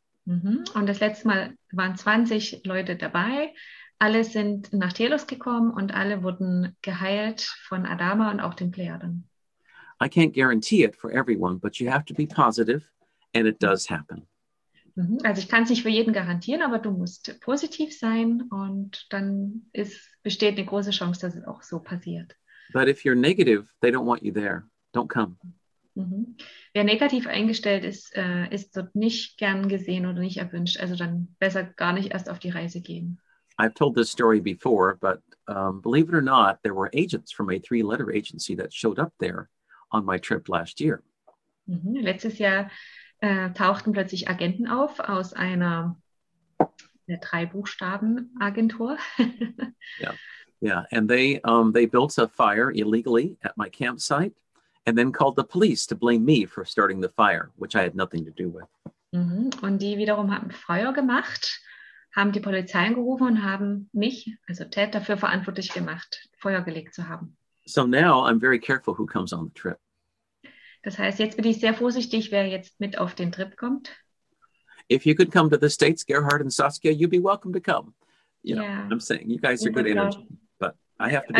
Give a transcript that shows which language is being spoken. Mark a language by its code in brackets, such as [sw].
[de] Mm-hmm. Und das letzte Mal waren 20 Leute dabei. Alle sind nach Telos gekommen und alle wurden geheilt von Adama und auch den Plejaden. [en] I can't guarantee it for everyone, but you have to be positive and it does happen. [de] Also ich kann es nicht für jeden garantieren, aber du musst positiv sein und dann besteht eine große Chance, dass es auch so passiert. [en] But if you're negative, they don't want you there. Don't come. [de] Wer negativ eingestellt ist, ist dort nicht gern gesehen oder nicht erwünscht. Also dann besser gar nicht erst auf die Reise gehen. [en] I've told this story before, but believe it or not, there were agents from a 3-letter agency that showed up there on my trip last year. [de] Letztes Jahr tauchten plötzlich Agenten auf aus einer 3-Buchstaben-Agentur. [en] Yeah, and they built a fire illegally at my campsite and then called the police to blame me for starting the fire, which I had nothing to do with. [de] Und die wiederum haben Feuer gemacht, haben die Polizei angerufen und haben mich, also Ted, dafür verantwortlich gemacht, Feuer gelegt zu haben. [en] So now I'm very careful who comes on the trip. [de] Das heißt, jetzt bin ich sehr vorsichtig, wer jetzt mit auf den Trip kommt. [en] If you could come to the States, Gerhard and Saskia, you'd be welcome to come. I'm saying, you guys are good energy, but I have to be